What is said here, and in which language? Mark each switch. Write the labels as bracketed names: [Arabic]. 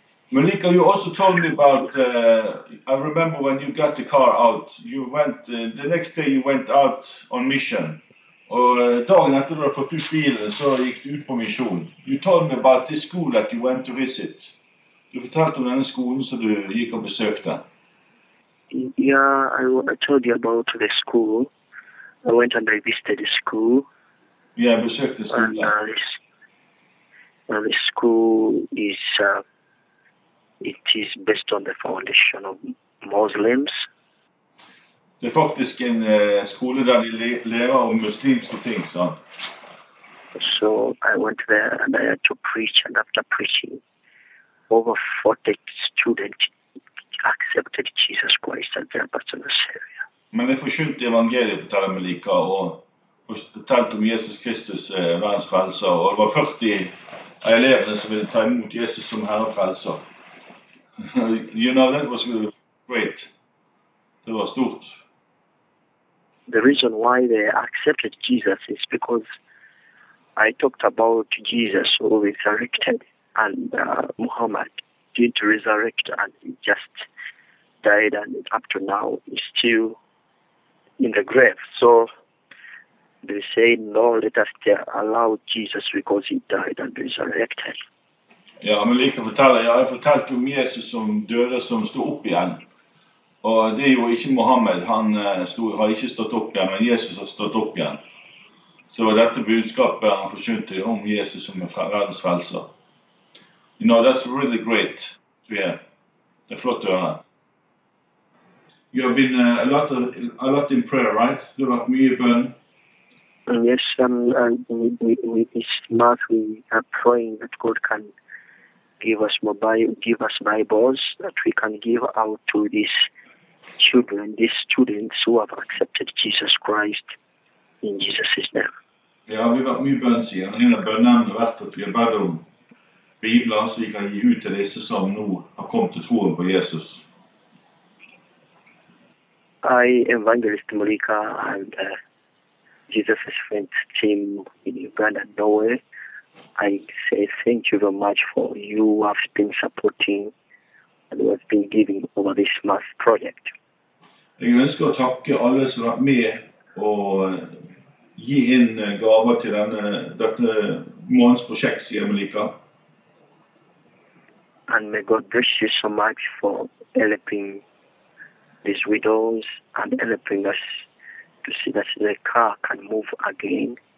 [English] Malika, you also told me about, I remember when you got the car out, you went, the next day you went out on mission. [Norwegian] Og dagen etter du har fått ut bilen, så gikk du ut på misjon. [English] You told me about this school that you went to visit. [Norwegian] Du fortalte om denne skolen som du gikk og besøkte. [English] Yeah, I told you about the school. I went and I visited the school. [Norwegian] Yeah, I besøkte skolen. [English] And the school is, it is based on the foundation of Muslims. [Norwegian] Det faktisk en skole der de lærer om muslimske ting, sant? [English] So I went there and I had to preach, and after preaching, over 40 students accepted Jesus Christ as their personal savior. [Norwegian] Men vi forkynte evangeliet, forteller Malika, og fortalte om Jesus Kristus, verdens frelser, og det var 40 av elevene som ville ta imot Jesus som Herre frelser. [English] You know, that was great. [Norwegian] Det var stort. [English] The reason why they accepted Jesus is because I talked about Jesus who resurrected, and Muhammad didn't resurrect, and he just died, and up to now he's still in the grave. So they say, no, let us allow Jesus because he died and resurrected. [Norwegian] Yeah, men like jeg fortalte om Jesus som døde som stod opp igjen. Og det jo ikke Mohammed, han stod, har ikke stått opp igjen, men Jesus har stått opp igjen. Så var dette budskapet han forkynte om Jesus som en verdens frelser. [English] You know, that's really great to hear. [Norwegian] Det er flott å høre. [English] You have been a lot in prayer, right? [Norwegian] Du har vært mye bønn. [English] Yes, with this month we are praying that God can give us Bibles that we can give out to these children, these students who have accepted Jesus Christ in Jesus' name. [Norwegian] Ja, vi har mye bønn, sier han. En av bønnene har vært at vi har bedt om Bibler som vi kan gi ut til disse som nå har kommet til troen på Jesus. [English] I evangelist Malika and Jesus' friend team in Uganda, Norway, I say thank you very much for you have been supporting and have been giving over this month project. [Norwegian] Jeg ønsker å takke alle som har vært med og gi inn gaver til dette månedsprosjektet, sier Malika. [English] And may God bless you so much for helping these widows and helping us to see that the car can move again.